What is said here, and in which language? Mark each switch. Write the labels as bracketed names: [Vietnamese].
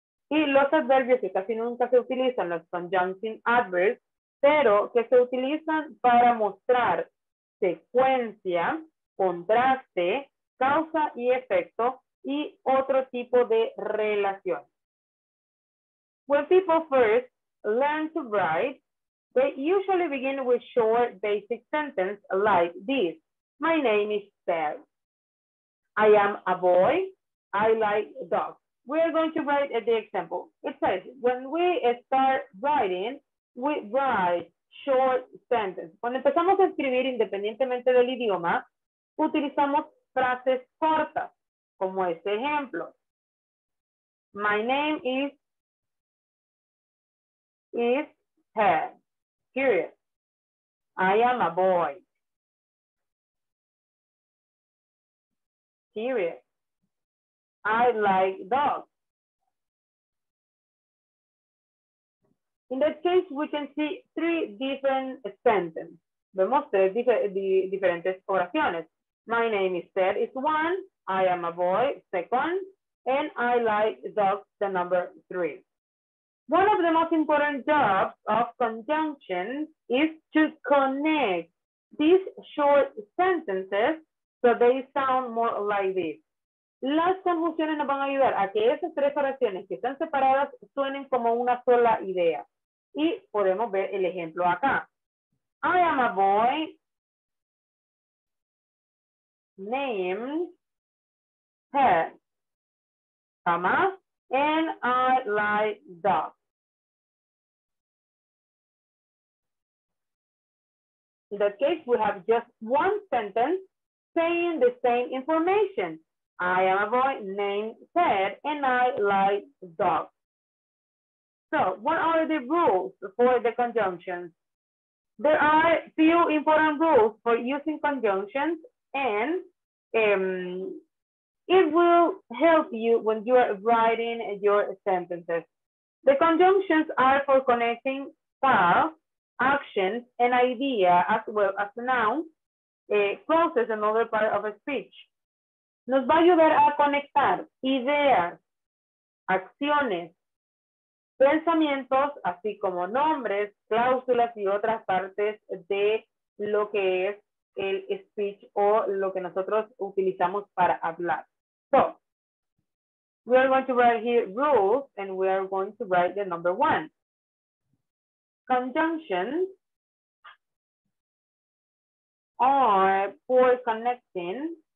[Spanish] Y los adverbios que casi nunca se utilizan, los conjuncting adverbs, pero que se utilizan para mostrar secuencia, contraste, causa y efecto, y otro tipo de relación. [English] When people first learn to write, they usually begin with short basic sentences like this. My name is Ted. I am a boy. I like dogs. We are going to write the example. It says, when we start writing, we write short sentences. [Spanish] Cuando empezamos a escribir independientemente del idioma, utilizamos frases cortas, como este ejemplo. [English] My name is Ted. Period. I am a boy. Period. I like dogs. In that case, we can see three different sentences. [Spanish] Vemos tres diferentes oraciones. [English] My name is Ted is one, I am a boy, second, and I like dogs, the number three. One of the most important jobs of conjunction is to connect these short sentences so they sound more like this. [Spanish] Las conjunciones nos van a ayudar a que esas tres oraciones que están separadas suenen como una sola idea. Y podemos ver el ejemplo acá. [English] I am a boy named pet, comma, and I like dogs. In that case, we have just one sentence saying the same information. I am a boy named Ted and I like dogs. So what are the rules for the conjunctions? There are few important rules for using conjunctions, and it will help you when you are writing your sentences. The conjunctions are for connecting past actions and idea as well as noun, clauses, and other part of a speech. [Spanish] Nos va a ayudar a conectar ideas, acciones, pensamientos, así como nombres, cláusulas y otras partes de lo que es el speech o lo que nosotros utilizamos para hablar. [English] So, we are going to write here rules and we are going to write the number one. Conjunctions are for connecting